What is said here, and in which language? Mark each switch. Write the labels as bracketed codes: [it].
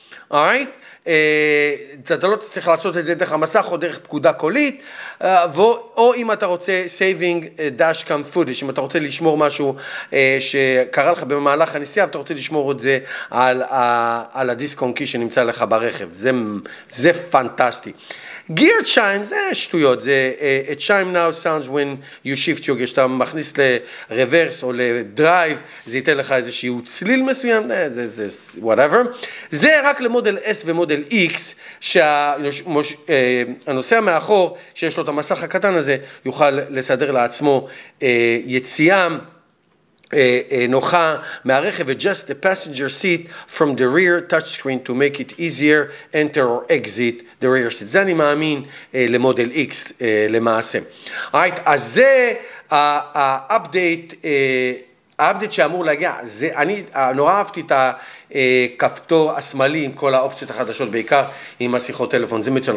[he] אורייט, אתה לא צריך לעשות את זה דרך המסך או דרך פקודה קולית, או אם אתה רוצה [en] saving dash cam footage, [he] אם אתה רוצה לשמור משהו שקרה לך במהלך הנסיעה, אתה רוצה לשמור את זה על הדיסק און קי שנמצא לך ברכב. זה פנטסטי. Gear chime, זה שטויות, זה [en] chime now sounds when you shift your gear, [he] שאתה מכניס לרוורס או לדרייב, זה ייתן לך איזשהו צליל מסוים, זה whatever. זה רק למודל S ומודל X, שהנוסע מאחור, שיש לו את המסך הקטן הזה, יוכל לסדר לעצמו יציאה נוחה מהרכב, [en] adjust the passenger seat from the rear touch screen to make it easier enter or exit the rear seat. [he] זה אני מאמין למודל X למעשה. Right, אז זה האפדייט שאמור להגיע. זה, אני נורא אהבתי את הכפתור השמאלי עם כל האופציות החדשות, בעיקר עם השיחות טלפון, זה מצוין.